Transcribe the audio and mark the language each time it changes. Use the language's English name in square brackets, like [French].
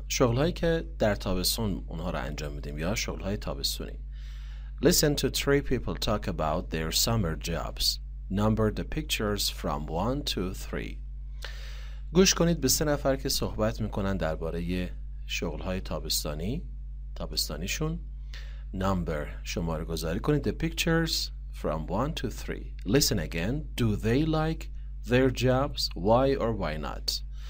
[Persian] شغلهایی که در تابستون اونها را انجام میدیم یا شغلهای تابستونی. [English] Listen to 3 people talk about their summer jobs. Number the pictures from 1 to 3. [Persian] گوش کنید به 3 نفر که صحبت میکنن درباره شغل‌های تابستانیشون. Number شماره گذاری کنید. [English] The pictures from 1 to 3. Listen again. Do they like their jobs? Why or why not?